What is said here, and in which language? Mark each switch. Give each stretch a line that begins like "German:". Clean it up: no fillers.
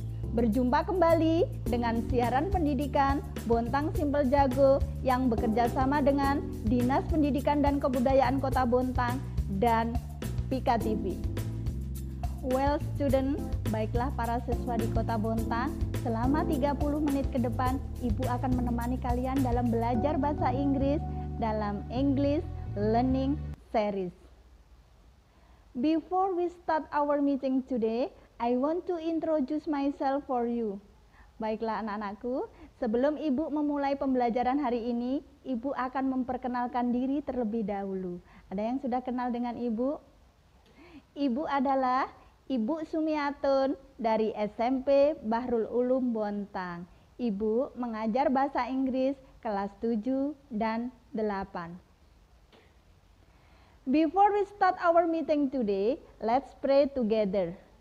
Indonesian: Berjumpa kembali dengan siaran pendidikan Bontang Simpel Jago yang bekerja sama dengan Dinas Pendidikan dan Kebudayaan Kota Bontang dan Pika TV.
English: Well student,
Indonesian: baiklah para siswa di Kota Bontang, selama 30 menit ke depan, Ibu akan menemani kalian dalam belajar bahasa Inggris dalam English Learning Series.
English: Before we start our meeting today, I want to introduce myself for you.
Indonesian: Baiklah anak-anakku, sebelum Ibu memulai pembelajaran hari ini, Ibu akan memperkenalkan diri terlebih dahulu. Ada yang sudah kenal dengan Ibu? Ibu adalah Ibu Sumiatun dari SMP Bahrul Ulum Bontang. Ibu mengajar bahasa Inggris kelas 7 dan 8.
English: Before we start our meeting today, let's pray together.